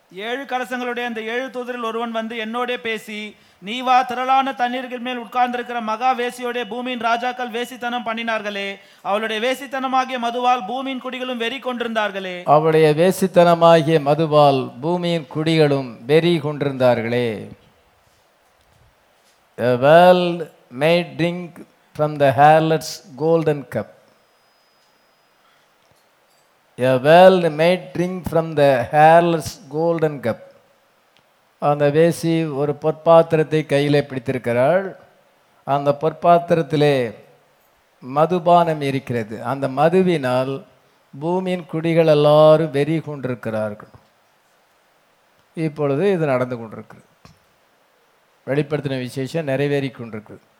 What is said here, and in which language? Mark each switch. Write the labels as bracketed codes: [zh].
[ta] 7 கலசங்களுடைய அந்த 7 தூதரில் ஒருவன் வந்து என்னோடே பேசி, நீ வா, திரளான தண்ணீர்கள் மேல் உட்கார்ந்திருக்கிற மகா வேசியோடே பூமியின் ராஜாக்கள் வேசித்தனம் பண்ணினார்களே, அவளுடைய வேசித்தனமாகிய மதுவால் பூமியின் குடிகளும் வெறி கொண்டிருந்தார்களே. அவளுடைய வேசித்தனமாகிய மதுவால் பூமியின் குடிகளும் வெறி கொண்டிருந்தார்களே. [en] A world may drink from the harlot's golden cup. A world may drink from the harlot's golden cup. [ta] அந்த வேசி ஒரு பொற்பாத்திரத்தை கையிலே பிடித்திருக்கிறாள். அந்த பொற்பாத்திரத்திலே மதுபானம் இருக்கிறது. அந்த மதுவினால் பூமியின் குடிகள் எல்லாரும் வெறி கொண்டிருக்கிறார்கள். இப்பொழுது இது நடந்து கொண்டிருக்கு. வெளிப்படுத்தின விசேஷம் நிறைவேறி கொண்டிருக்கு.